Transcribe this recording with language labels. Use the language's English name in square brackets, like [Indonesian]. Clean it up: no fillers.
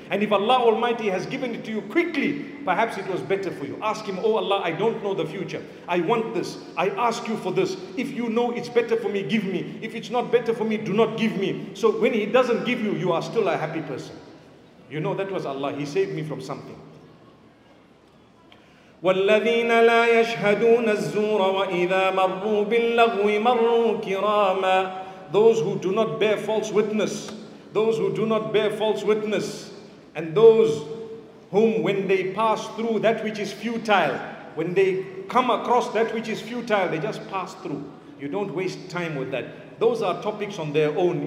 [English] And if Allah Almighty has given it to you quickly, perhaps it was better for you. Ask Him, oh Allah, I don't know the future. I want this. I ask You for this. If You know it's better for me, give me. If it's not better for me, do not give me. So when He doesn't give you, you are still a happy person. You know that was Allah. He saved me from something. [Arabic] والذين لا يشهدون الزور وإذا مروا باللغو مروا كراما. [English] Those who do not bear false witness, those who do not bear false witness, and those whom when they pass through that which is futile, when they come across that which is futile, they just pass through. You don't waste time with that. Those are topics on their own.